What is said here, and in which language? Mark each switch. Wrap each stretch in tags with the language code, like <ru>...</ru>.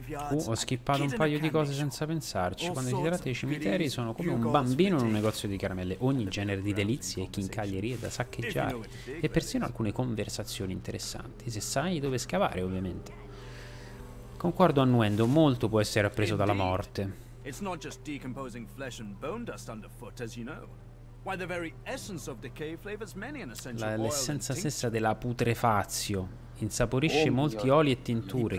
<it>Ho skippato un paio di cose senza pensarci. Quando si tratta di cimiteri sono come un bambino in un negozio di caramelle. Ogni genere di delizie e chincaglierie da saccheggiare. E persino alcune conversazioni interessanti. Se sai dove scavare, ovviamente. Concordo annuendo, molto può essere appreso dalla morte.</it> <en>It's not just decomposing flesh and bone dust underfoot, as you know. Why the very essence of decay flavors many an essential oil.</en> <it>L'essenza stessa della putrefazio insaporisce molti oli e tinture.</it>